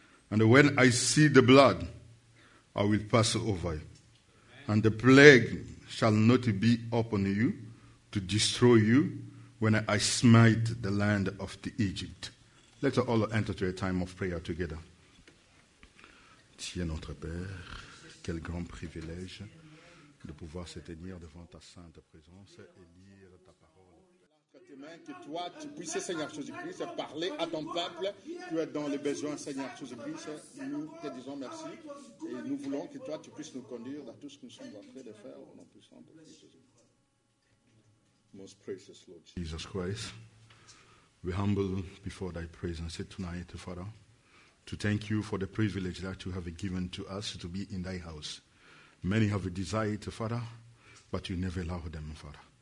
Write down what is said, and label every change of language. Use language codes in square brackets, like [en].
[en] And when I see the blood, I will pass over you. And the plague shall not be upon you to destroy you when I smite the land of the Egypt. Let us all enter to a time of prayer together. [fr] Tiens, notre Père, quel grand privilège de pouvoir s'éteindre devant ta sainte présence et lire ta parole. Que toi, tu puisses, Seigneur Jésus-Christ, parler à ton peuple. Tu es dans les besoins, Seigneur Jésus-Christ. Nous te disons merci et nous voulons que toi, tu puisses nous conduire dans tout ce que nous sommes en train de faire au nom puissant de [en] Most precious Lord Jesus Christ, we humble before thy presence tonight, Father, to thank you for the privilege that you have given to us to be in thy house. Many have a desire, Father, but you never allow them, Father.